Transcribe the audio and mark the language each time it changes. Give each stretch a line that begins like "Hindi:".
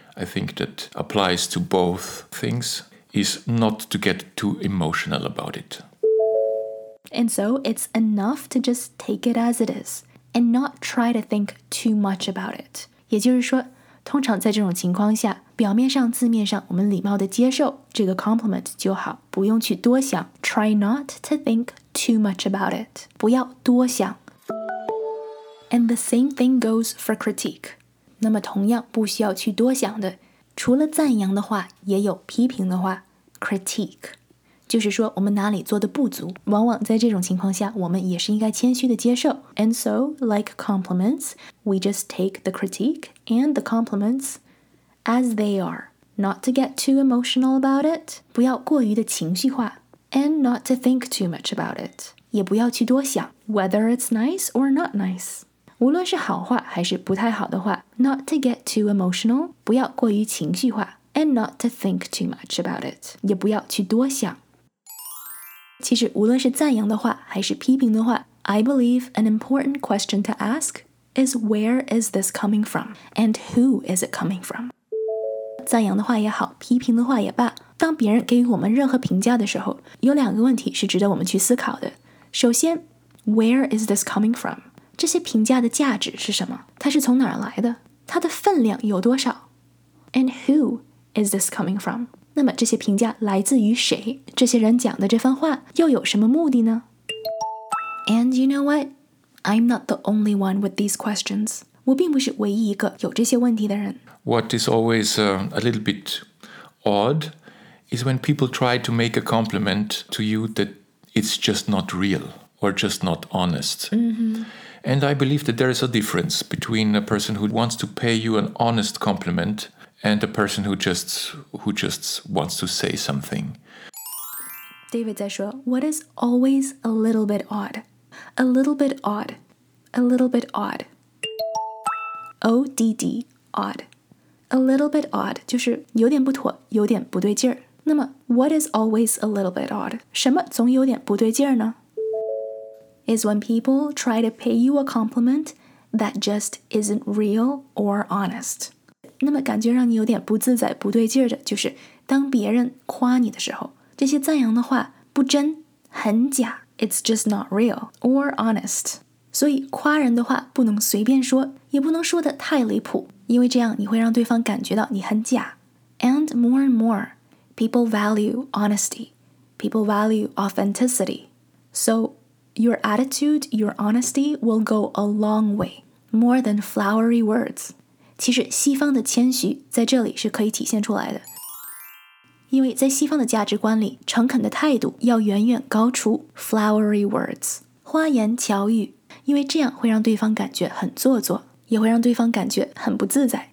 English: I think that applies to both things, is not to get too emotional about it. And so it's enough to just take it as it is and not try to think too much about it.
Chinese: 也就是说，通常在这种情况下，表面上字面上我们礼貌地接受这个 compliment 就好，不用去多想。
English: Try not to think too much about it.
Chinese: 不要多想。
English: And the same thing goes for critique.
Chinese: 那么同样不需要去多想的，除了赞扬的话，也有批评的话。 Critique 就是说我们哪里做得不足，往往在这种情况下我们也是应该谦虚地接受。
English: And so, like compliments, we just take the critique and the compliments as they are. Not to get too emotional about it,
Chinese: 不要过于的情绪化。
English: And not to think too much about it,
Chinese: 也不要去多想。
English: Whether it's nice or not nice,
Chinese: 无论是好话还是不太好的话，
English: not to get too emotional,
Chinese: 不要过于情绪化，
English: and not to think too much about it,
Chinese: 也不要去多想。其实无论是赞扬的话还是批评的话，
English: I believe an important question to ask is where is this coming from, and who is it coming from?
Chinese: 赞扬的话也好，批评的话也罢，当别人给予我们任何评价的时候，有两个问题是值得我们去思考的。首先，
English: where is this coming from?
Chinese: 这些评价的价值是什么？它是从哪儿来的？它的分量有多少？
English: And who is this coming from?
Chinese: 那么这些评价来自于谁？这些人讲的这番话又有什么目的呢？
English: And you know what? I'm not the only one with these questions.
Chinese: 我并不是唯一一个有这些问题的人。
English: What is always a little bit odd is when people try to make a compliment to you that it's just not real or just not honest. Mm-hmm. And I believe that there is a difference between a person who wants to pay you an honest compliment and a person who just wants to say something. David
Chinese: 在说
English: what is always a little bit odd? A little bit odd. A little bit odd. O-D-D. Odd.
Chinese: A little bit odd 就是有点不妥，有点不对劲儿。那么
English: what is always a little bit odd?
Chinese: 什么总有点不对劲儿呢？
English: Is when people try to pay you a compliment that just isn't real or honest.
Chinese: 那么感觉让你有点不自在、不对劲的，就是当别人夸你的时候，这些赞扬的话不真、很假。
English: It's just not real or honest.
Chinese: 所以夸人的话不能随便说，也不能说得太离谱，因为这样你会让对方感觉到你很假。
English: And more and more, people value honesty. People value authenticity. So,Your attitude, your honesty will go a long way, more than flowery words.
Chinese: 其实西方的谦虚在这里是可以体现出来的。因为在西方的价值观里，诚恳的态度要远远高出
English: flowery words,
Chinese: 花言巧语，因为这样会让对方感觉很做作，也会让对方感觉很不自在。